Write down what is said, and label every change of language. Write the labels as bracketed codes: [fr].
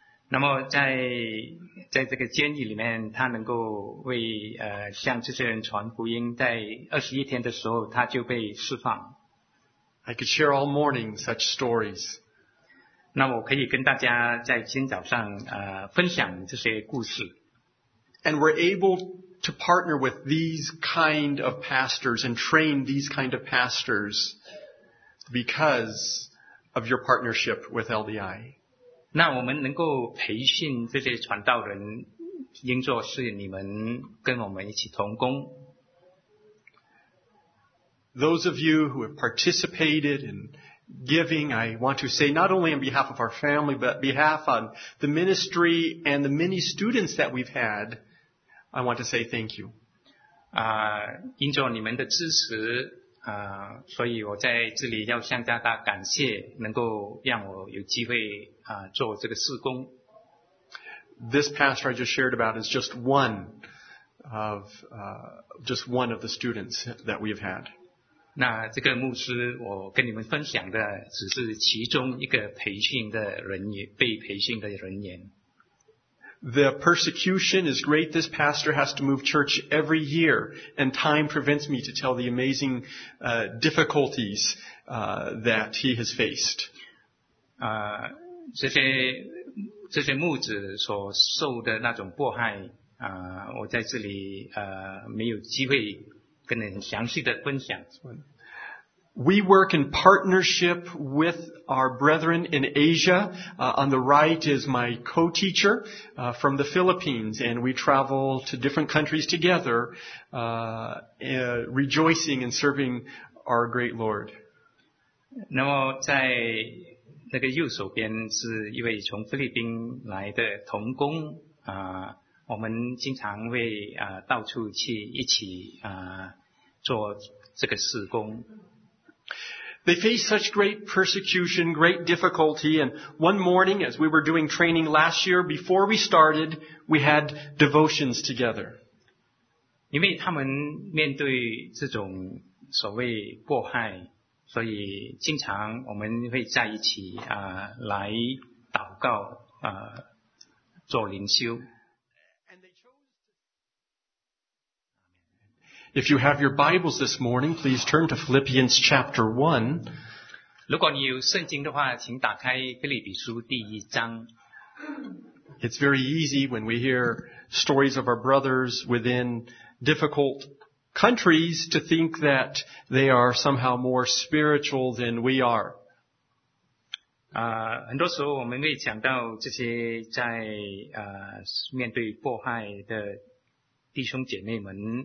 [zh] 那么在这个监狱里面他能够为向这些人传福音，在21天的时候他就被释放。 [en] I could share all morning such stories. [zh] 那我可以跟大家在今早上分享这些故事。 [en] And we're able to partner with these kind of pastors and train these kind of pastors because of your partnership with LDI. [zh] 那我们能够培训这些传道人，因着是你们跟我们一起同工。 [en] Those of you who have participated in giving, I want to say not only on behalf of our family, but behalf on the ministry and the many students that we've had, I want to say thank you. [zh] 因着你们的支持，所以我在这里要向大家感谢，能够让我有机会做这个事工。 [en] This pastor I just shared about is just one of the students that we've had. [zh] 那这个牧师我跟你们分享的只是其中一个培训的人员，被培训的人员。 [en] The persecution is great. This pastor has to move church every year, and time prevents me to tell the amazing difficulties that he has faced. [zh] 这些牧子所受的那种迫害，我在这里没有机会跟你们详细的分享。 [en] We work in partnership with our brethren in Asia. On the right is my co-teacher from the Philippines, and we travel to different countries together, rejoicing and serving our great Lord. [zh] 那么在那个右手边是一位从菲律宾来的同工，我们经常为到处去一起做这个事工。 [en] They faced such great persecution, great difficulty, and one morning as we were doing training last year, before we started, we had devotions together. [zh] 因为他们面对这种所谓迫害，所以经常我们会在一起来祷告做灵修。 [en] If you have your Bibles this morning, please turn to Philippians chapter 1. [zh] 如果你有圣经的话，请打开《腓立比书》第一章。 [en] It's very easy when we hear stories of our brothers within difficult countries to think that they are somehow more spiritual than we are. [zh] 很多时候我们会讲到这些在面对迫害的弟兄姐妹们。